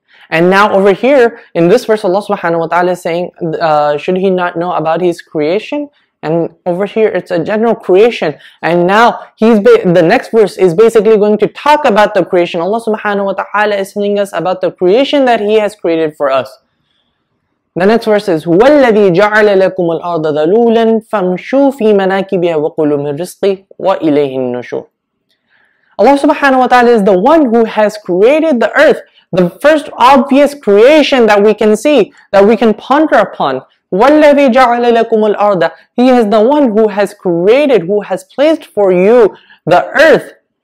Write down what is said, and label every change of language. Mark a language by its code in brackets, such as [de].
[en] And now over here, in this verse, Allah subhanahu wa ta'ala is saying, should he not know about his creation? And over here, it's a general creation. And now, the next verse is basically going to talk about the creation. Allah subhanahu wa ta'ala is telling us about the creation that he has created for us. The next verse is, [ar] وَالَّذِي جَعَلَ لَكُمُ الْأَرْضَ ذَلُولًا فَامْشُوا فِي مَنَاكِبِهَا وَقُلُوا مِنْ رِزْقِي وَإِلَيْهِ النُّشُورِ. [en] Allah subhanahu wa ta'ala is the one who has created the earth. The first obvious creation that we can see, that we can ponder upon. [ar] وَالَّذِي جَعَلَ لَكُمُ الْأَرْضَ. [en] He is the one who has created, who has placed for you the earth.